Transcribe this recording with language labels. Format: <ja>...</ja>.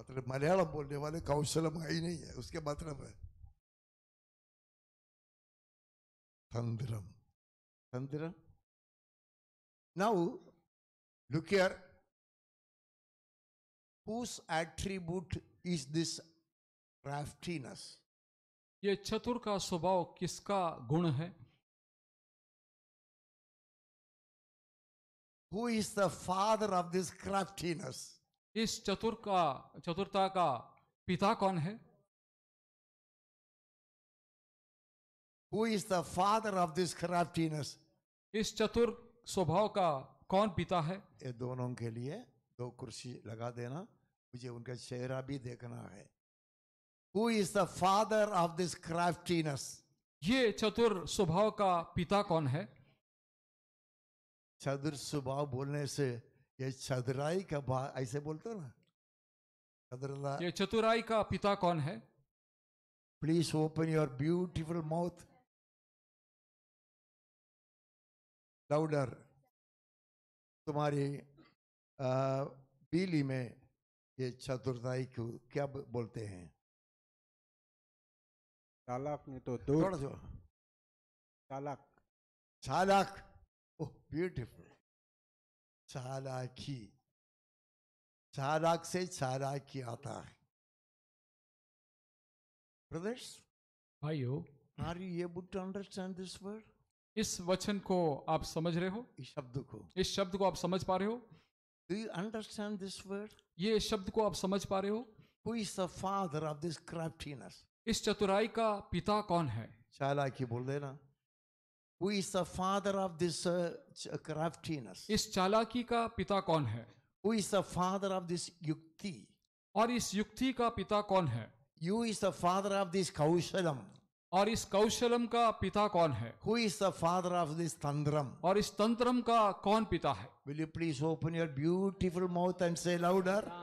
<ml>മലയാളം പോലെ വല്ല കൗശലം അതിനെ മാത്രമേ തന്ത്രം തന്ത്രം.</ml> <en>Now look here, whose attribute is this craftiness?</en> <hi>ये चतुर का स्वभाव किसका गुण है?</hi> <en>Who is the father of this craftiness?</en> <hi>इस चतुर का चतुरता का पिता कौन है?</hi> <en>Who is the father of this craftiness?</en> <hi>इस चतुर स्वभाव का कौन पिता है? ये दोनों के लिए दो कुर्सी लगा देना, मुझे उनका चेहरा भी देखना है.</hi> <en>Who is the father of this craftiness?</en> <hi>ये चतुर स्वभाव का पिता कौन है? चतुर स्वभाव बोलने से ये चतुराई का ऐसे बोलते हो ना? चतुरता. ये चतुराई का पिता कौन है?</hi> <en>Please open your beautiful mouth louder.</en> <hi>तुम्हारी बीली में ये चतुराई को क्या बोलते हैं? चालक नहीं तो दूर. थोड़ा सा चालक. चालक.</hi> <en>Oh beautiful.</en> <hi>चालाकी. चालक से चालाकी आता है.</hi> <en>brothers</en> <hi>भाइयो,</hi> <en>Are you able to understand this word?</en> <hi>इस वचन को आप समझ रहे हो? इस शब्द को आप समझ पा रहे हो?</hi> <en>Do you understand this word?</en> <hi>ये शब्द को आप समझ पा रहे हो?</hi> <en>Who is the father of this craftiness?</en> <hi>इस चतुराई का पिता कौन है? चालाकी बोल देना.</hi> <en>Who is the father of this craftiness?</en> <hi>इस चालाकी का पिता कौन है?</hi> <en>Who is the father of this युक्ति?</en> <hi>और इस युक्ति का पिता कौन है?</hi> <en>Who is the father of this कौशलम?</en> <hi>और इस कौशलम का पिता कौन है?</hi> <en>Who is the father of this तंत्रम?</en> <hi>और इस तंत्रम का कौन पिता है?</hi> <en>Will you please open your beautiful mouth and say louder?</en>